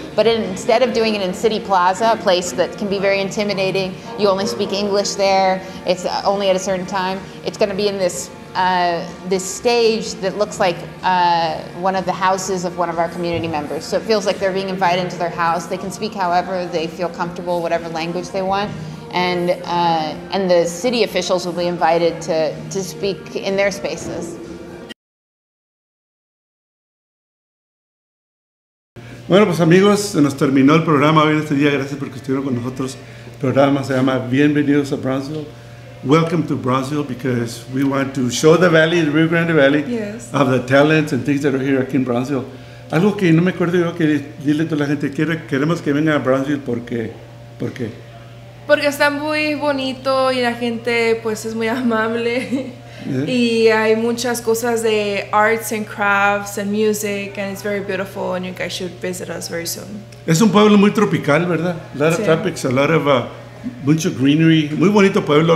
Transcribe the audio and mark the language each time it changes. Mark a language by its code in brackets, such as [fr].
[en] But instead of doing it in City Plaza, a place that can be very intimidating, you only speak English there, it's only at a certain time, it's going to be in this this stage that looks like one of the houses of one of our community members. So it feels like they're being invited into their house. They can speak however they feel comfortable, whatever language they want. And the city officials will be invited to speak in their spaces. [es] Bueno, pues amigos, se nos terminó el programa hoy en este día. Gracias por que estuvieron con nosotros. El programa se llama Bienvenidos a Brownsville. [en] Welcome to Brownsville, because we want to show the valley, the Rio Grande Valley, yes, of the talents and things that are here [es] aquí en Brownsville. Algo que no me acuerdo yo que dile a toda la gente, queremos que vengan a Brownsville, ¿por qué? Porque está muy bonito y la gente pues es muy amable. [en] Yeah. [es] Y hay muchas cosas de [en] arts and crafts and music, and it's very beautiful, and you guys should visit us very soon. [es] Es un pueblo muy tropical, ¿verdad? [en] A lot of tropics, a lot of mucho greenery, [es] muy bonito pueblo.